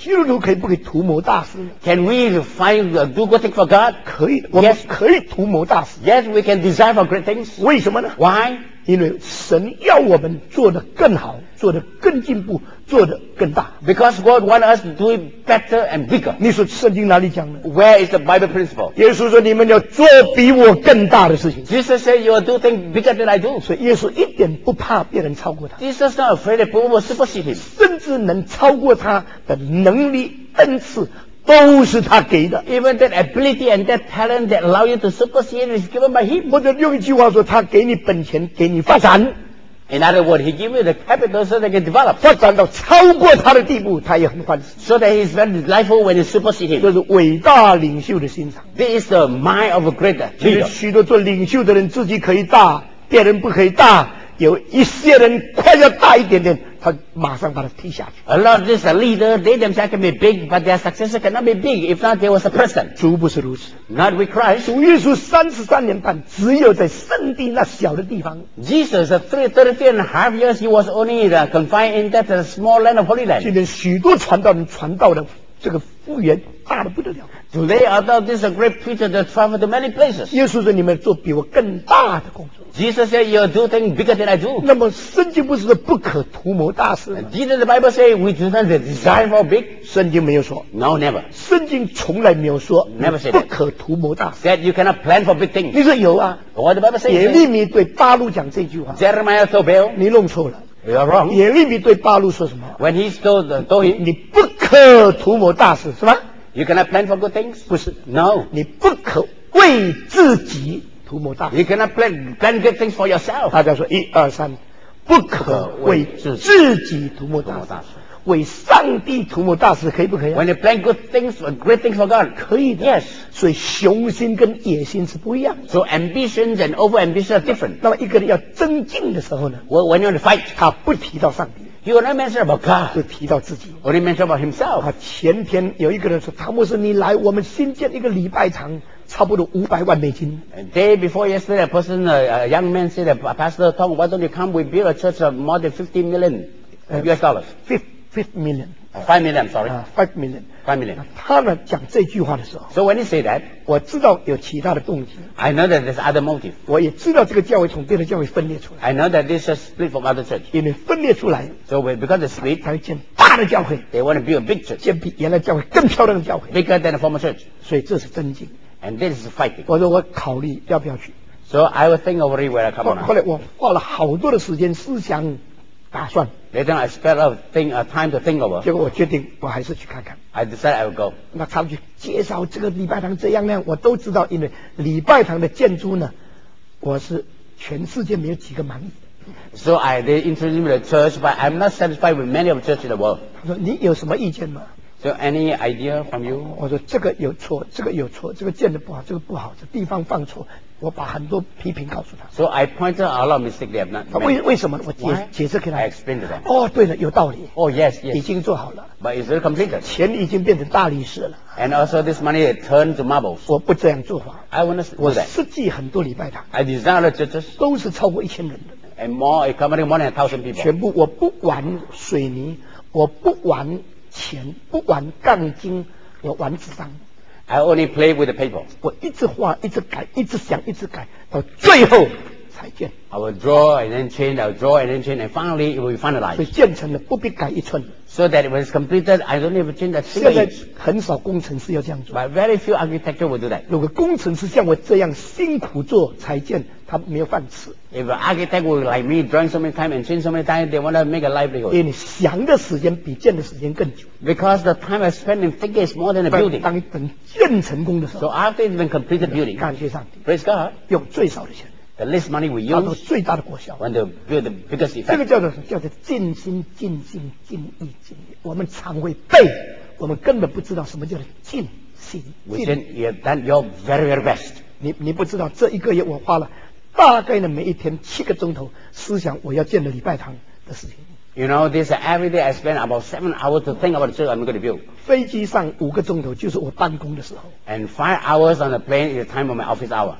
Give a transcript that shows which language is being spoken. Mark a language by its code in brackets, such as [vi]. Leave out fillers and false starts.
[zh] 基督徒可以不可以图谋大事 [en] ？Can we find do good things for God? [zh] 可以，我们可以图谋大事。 [en] Yes, we can desire for great things. [zh] 为什么呢 [en] ？Why? [zh] 因为神要我们做得更好，做得更进步，做得更大。 [en] Because God wants us to do it better and bigger。 [zh] 你说圣经哪里讲呢 [en] ？Where is the Bible principle？ [zh] 耶稣说你们要做比我更大的事情。 [en] Jesus said you are doing bigger than I do。 [zh] 所以耶稣一点不怕别人超过他。 [en] Jesus not afraid of people supersede him。 [zh] 甚至能超过他的能力恩赐。都是他给的 [en] Even that ability and that talent that allow you to supersede is given by him [zh] 或者用一句话说他给你本钱给你发展 [en] In other words he gives you the capital so they can develop [zh] 发展到超过他的地步他也很欢喜 [en] So that he is very delightful when he supersede him [zh] 这是伟大领袖的心肠 [en] This is the mind of a great leader [zh] 其实许多做领袖的人自己可以大别人不可以大有一些人快要大一点点他马上把他踢下去 [en] A lot of these leaders they themselves can be big but their successor cannot be big if not they was a person [zh] 主不是如此 [en] Not with Christ [zh] 主耶稣33年半只有在圣地那小的地方 [en] Jesus 33 and a half years he was only confined in that small land of Holy Land [zh] 今天许多传道人传道的这个复原大得不得了 [en] Today although this is a great preacher that traveled to many places [zh] 耶稣说你们做比我更大的工作 [en] Jesus said you're doing bigger than I do [zh] 那么圣经不是不可图谋大事吗 [en] Jesus the Bible say we do not desire for big [zh] 圣经没有说 [en] No never [zh] 圣经从来没有说 [en] Never said [zh] 不可图谋大事 [en] That you cannot plan for big things [zh] 你说有啊 [en] What the Bible say [zh] 耶利米对巴路讲这句话 [en] Jeremiah told Baal [zh] 你弄错了 [en] You are wrong [zh] 耶利米对巴路说什么 [en] When he told him [zh] 你不可图谋大事是吧 [en] You cannot plan for good things [zh] 不是 [en] No [zh] 你不可为自己图谋大事 [en] You cannot plan good things for yourself [zh] 大家说一二三不可为自己图谋大事为上帝涂抹大石，可以不可以？ [en] When you plan good things or great things for God， [zh] 可以的。 [en] Yes， [zh] 所以雄心跟野心是不一样。 [en] So ambitions and over ambition are different。 [zh] 那么一个人要增进的时候呢？ [en] Well, when you fight， [zh] 他不提到上帝。 [en] He will not mention about God， [zh] 就提到自己。 [en] Only mention about himself。 [zh] 啊，前天有一个人说，汤姆斯，你来我们新建一个礼拜堂。差不多$500,000。 [en] Day before yesterday, a person, a young man said, Pastor Tong, why don't you come? We build a church of more than $50 million US dollars. Five million. $5 million, sorry. $5 million. $5 million. [zh] 他呢讲这句话的时候。 [en] So when he said that, [zh] 我知道有其他的动机。 [en] I know that there's other motive. [zh] 我也知道这个教会从别的教会分裂出来。 [en] I know that this is split from other church. [zh] 因为分裂出来。 [en] So because it's split, [zh] 才会建大的教会。 [en] They want to build a big church. [zh] 建比原来教会更漂亮的教会。 [en] Bigger than the former church. [zh] 所以这是增进。 [en] And this is fighting. [zh] 我说我考虑要不要去。 [en] So I will think over it when I come on. [zh] 后来我花了好多的时间思想打算。 [en] Later I spent time to think over. [zh] 结果我决定我还是去看看。 [en] I decide I will go. [zh] 那他们去介绍这个礼拜堂这样那样，我都知道，因为礼拜堂的建筑呢，我是全世界没有几个满意。 [en] So they introduced me to the church, but I'm not satisfied with many of the churches in the world. [zh] 他说你有什么意见吗？ [en] So any idea from you? [zh] 我说这个有错，这个有错，这个建的不好，这个不好，这地方犯错，我把很多批评告诉他。 [en] So I pointed out a lot of mistakes they have not made. [zh] 为什么？我解释给他。 [en] I explained to them. [zh] 哦，对了，有道理。 [en] Oh yes, yes. [zh] 已经做好了。 [en] But it's very complicated. [zh] 钱已经变成大理石了。 [en] And also this money it turned to marbles. [zh] 我不这样做法。 [en] I want to do that. [zh] 我设计很多礼拜堂。 [en] I designed the churches. [zh] 都是超过1000人的。 [en] And more, accommodating more than 1000 people. [zh] 全部我不玩水泥，我不玩。钱不玩钢筋，我玩纸张。 [en] I only play with the paper. [zh] 我一直画，一直改，一直想，一直改，到最后才建。 [en] I will draw and then change. I will draw and then change, and finally it will be finalized. [zh] 所以建成了不必改一寸。 [en] So that when it's completed, I don't even change a single inch. [zh] 现在很少工程师要这样做。 [en] But very few architects will do that. [zh] 如果工程师像我这样辛苦做才建，他没有饭吃。 [en] If an architect will like me, drawing so many time and change so many time, they want to make a livelihood. [zh] 因为想的时间比建的时间更久。 [en] Because the time I spend in thinking is more than the building. [zh] 当等建成功的时候。 [en] So after it's been completed building. [zh] 感谢上帝。 [en] Praise God. [zh] 用最少的钱。 [en] The less money we use, [zh] 它都是最大的果效。 [en] When they build the biggest effect. [zh] 这个叫做尽心尽心尽意尽力。我们常会背，我们根本不知道什么叫做尽心尽力。 [en] Then you have done your very very best. [zh] 你不知道这一个月我花了大概的每一天7个钟头思想我要建的礼拜堂的事情。 [en] You know, this every day I spend about 7 hours to think about the church I'm going to build. [zh] 飞机上5个钟头就是我办公的时候。 [en] And 5 hours on the plane is the time of my office hour.